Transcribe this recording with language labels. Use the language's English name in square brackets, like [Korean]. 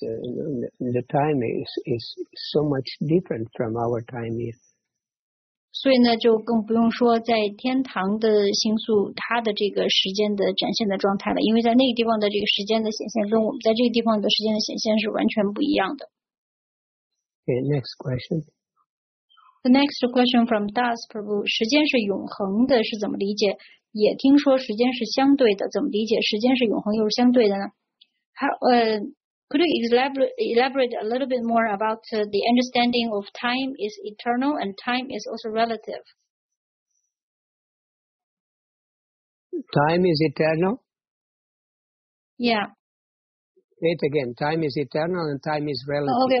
[English] The time is so much different from our time here. [Chinese] 所以呢，就更不用说在天堂的星宿，它的这个时间的展现的状态了，因为在那个地方的这个时间的显现，跟我们在这个地方的时间的显现是完全不一样的。 [English] Okay, next question. The next question from [Chinese] Das Prabhu: 时间是永恒的，是怎么理解？也听说时间是相对的，怎么理解时间是永恒又是相对的呢？ [English] Could you elaborate a little bit more about the understanding of time is eternal and time is also relative? Time is eternal? Yeah. Wait again, time is eternal and time is relative.